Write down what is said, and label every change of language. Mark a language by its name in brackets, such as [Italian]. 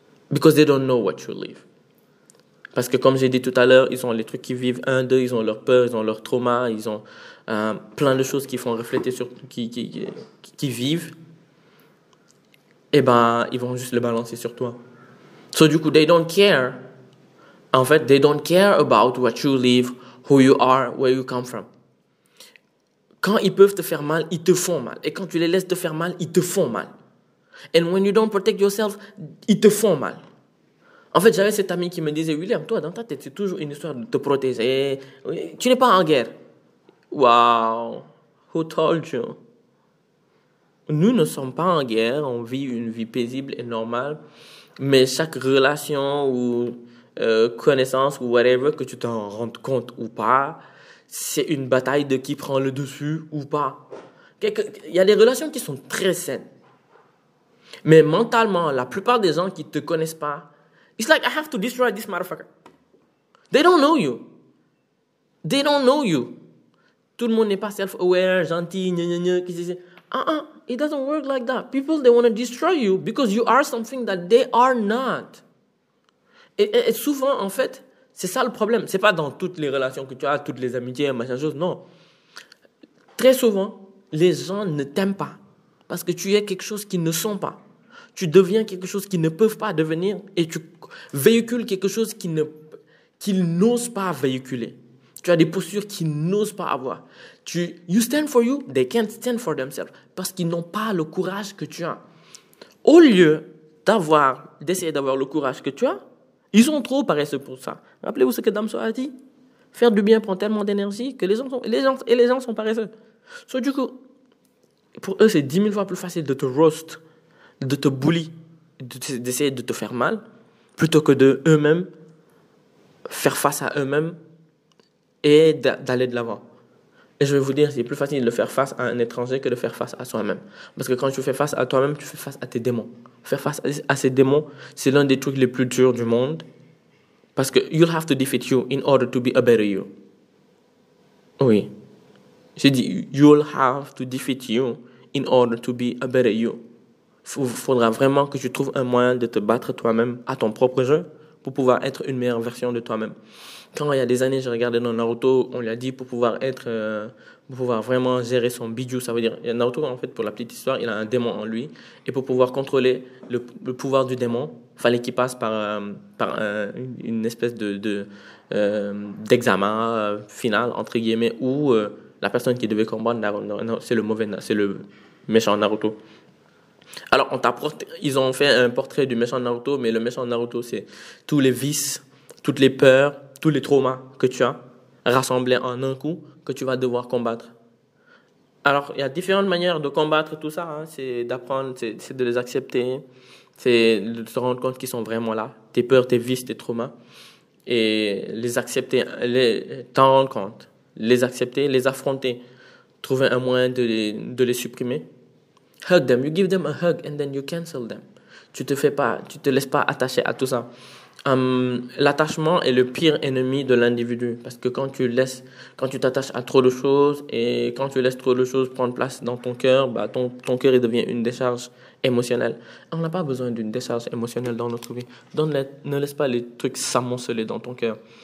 [English] Because they don't know what you live. [French] Parce que, comme j'ai dit tout à l'heure, ils ont les trucs qu'ils vivent, un, deux, ils ont leur peur, ils ont leur trauma, ils ont plein de choses qui font refléter sur qui vivent. Eh ben, ils vont juste le balancer sur toi. [English] So, [French] du coup, [English] they don't care. [French] En fait, [English] they don't care about what you live, who you are, where you come from. [French] Quand ils peuvent te faire mal, ils te font mal. Et quand tu les laisses te faire mal, ils te font mal. [English] And when you don't protect yourself, [French] ils te font mal. En fait, j'avais cet ami qui me disait, William, toi, dans ta tête, c'est toujours une histoire de te protéger. Tu n'es pas en guerre. Wow. [English] Who told you? [French] Nous ne sommes pas en guerre, on vit une vie paisible et normale, mais chaque relation ou connaissance ou whatever, que tu t'en rendes compte ou pas, c'est une bataille de qui prend le dessus ou pas. Il y a des relations qui sont très saines, mais mentalement, la plupart des gens qui ne te connaissent pas, [English] it's like I have to destroy this motherfucker. They don't know you. [French] They don't know you. Tout le monde n'est pas self-aware, gentil, gnagnagna, qu'est-ce que c'est? [English] It doesn't work like that. People, they want to destroy you because you are something that they are not. [French] Et souvent, en fait, c'est ça le problème. C'est pas dans toutes les relations que tu as, toutes les amitiés, machin, chose, non. Très souvent, les gens ne t'aiment pas parce que tu es quelque chose qui ne sont pas. Tu deviens quelque chose qu'ils ne peuvent pas devenir et tu véhicules quelque chose qu'ils n'osent pas véhiculer. Tu as des postures qu'ils n'osent pas avoir. [English] You stand for you, they can't stand for themselves. [French] Parce qu'ils n'ont pas le courage que tu as. Au lieu d'essayer d'avoir le courage que tu as, ils sont trop paresseux pour ça. Rappelez-vous ce que Damso a dit. Faire du bien prend tellement d'énergie que les gens sont paresseux. So, du coup, pour eux, c'est 10 000 fois plus facile de te roast, de te bully, d'essayer de te faire mal, plutôt que de eux-mêmes faire face à eux-mêmes et d'aller de l'avant. Et je vais vous dire, c'est plus facile de faire face à un étranger que de faire face à soi-même. Parce que quand tu fais face à toi-même, tu fais face à tes démons. Faire face à ces démons, c'est l'un des trucs les plus durs du monde. Parce que [English] you'll have to defeat you in order to be a better you. Oui. [French] J'ai dit, [English] you'll have to defeat you in order to be a better you. [French] Faudra vraiment que tu trouves un moyen de te battre toi-même à ton propre jeu pour pouvoir être une meilleure version de toi-même. Quand il y a des années, j'ai regardé dans Naruto, on lui a dit pour pouvoir vraiment gérer son Bijou, ça veut dire, Naruto, en fait, pour la petite histoire, il a un démon en lui, et pour pouvoir contrôler le pouvoir du démon, fallait qu'il passe par une espèce d'examen final, entre guillemets, où la personne qui devait combattre, c'est le méchant Naruto. Alors, ils ont fait un portrait du méchant Naruto, mais le méchant Naruto, c'est tous les vices, toutes les peurs, tous les traumas que tu as rassemblés en un coup que tu vas devoir combattre. Alors, il y a différentes manières de combattre tout ça, hein. C'est d'apprendre, c'est de les accepter, c'est de te rendre compte qu'ils sont vraiment là, tes peurs, tes vices, tes traumas, et les accepter, t'en rendre compte, les accepter, les affronter, trouver un moyen de les supprimer. [English] Hug them, you give them a hug and then you cancel them. [French] Tu te laisses pas attacher à tout ça. L'attachement est le pire ennemi de l'individu parce que quand tu t'attaches à trop de choses et quand tu laisses trop de choses prendre place dans ton cœur, bah ton cœur il devient une décharge émotionnelle. On n'a pas besoin d'une décharge émotionnelle dans notre vie. Ne laisse pas les trucs s'amonceler dans ton cœur.